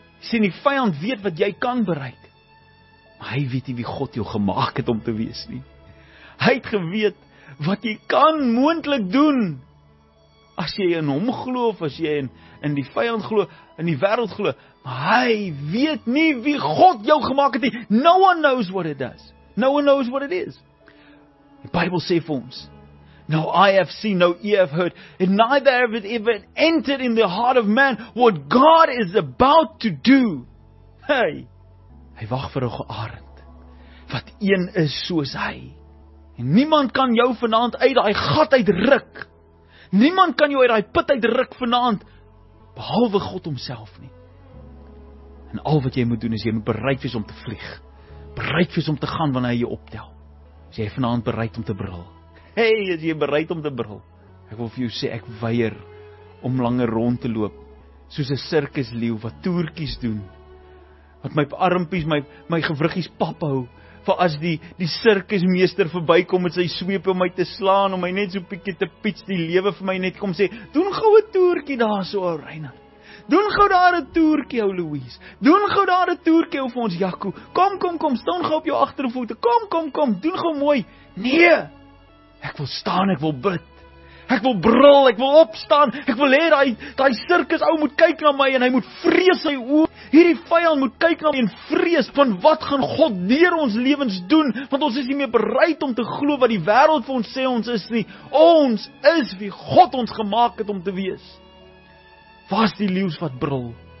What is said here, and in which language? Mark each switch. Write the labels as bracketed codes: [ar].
[af] Sien, die vyand weet wat jy kan bereik, maar hy weet nie wie God jou gemaak het om te wees nie. Hy het geweet wat jy kan moontlik doen, as jy in hom glo, of as jy in die vyand glo, in die wêreld glo, hy weet nie wie God jou gemaak het nie. [en] No one knows what it does. No one knows what it is. [af] Die Bybel sê vir ons, [en] no eye have seen, no ear have heard, and neither have it ever entered in the heart of man what God is about to do. [af] Hey, hy wag vir 'n arend wat een is soos hy. En niemand kan jou vanaand uit daai gat uitruk. Niemand kan jou uit daai put uitruk vanaand behalwe God homself nie. En al wat jy moet doen is jy moet bereid wees om te vlieg. Bereid wees om te gaan wanneer hy jou optel. As jy vanaand bereid om te brul. Hey, as jy bereid om te brul. Ek wil vir jou sê, ek weier om langer rond te loop. Soos 'n sirkusleeu wat toertjies doen. Wat my armpies, my gewriggies pap hou. Vir as die sirkusmeester verbykom met sy sweep om my te slaan. Om my net so bietjie te piets die lewe vir my net. Kom sê, doen gou 'n toertjie daar so, Reina. Doen gou daar 'n toertjie, ou Louise. Doen gou daar 'n toertjie of ons Jaco. Kom, staan gou op jou agtervoete. Kom, doen gou mooi. Nee, ek wil staan, ek wil bid. Ek wil brul, ek wil opstaan. Ek wil hê daai sirkus ou moet kyk na my en hy moet vrees sy oë. Hierdie vyand moet kyk na my en vrees van wat gaan God deur ons lewens doen, want ons is nie meer bereid om te glo wat die wêreld vir ons sê ons is nie. Ons is wie God ons gemaak het om te wees. Waar is die leeu wat brul?